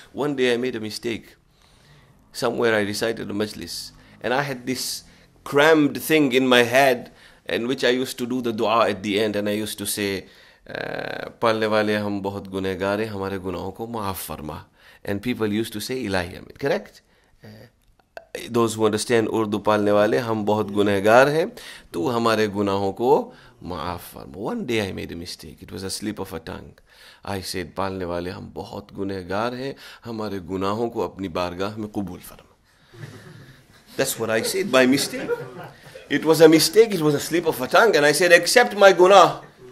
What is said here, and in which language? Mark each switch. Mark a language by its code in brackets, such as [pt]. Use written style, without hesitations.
[en] One day I made a mistake. Somewhere I recited a majlis. And I had this crammed thing in my head in which I used to do the dua at the end. And I used to say, [ur] پالنے والے ہم بہت گنہ گار ہیں ہمارے گناہوں کو معاف فرما. [en] And people used to say [ur] الہی آمین. [en] Correct? Those who understand [ur] Urdu, پالنے والے ہم بہت گنہ گار ہیں تو ہمارے گناہوں کو معاف فرما. [en] One day I made a mistake. It was a slip of a tongue. I said [ur] پالنے والے ہم بہت گنہ گار ہیں ہمارے گناہوں کو اپنی بارگاہ میں قبول فرما. [en] That's what I said by mistake. it was a mistake, it was a slip of a tongue, and I said, accept my guna.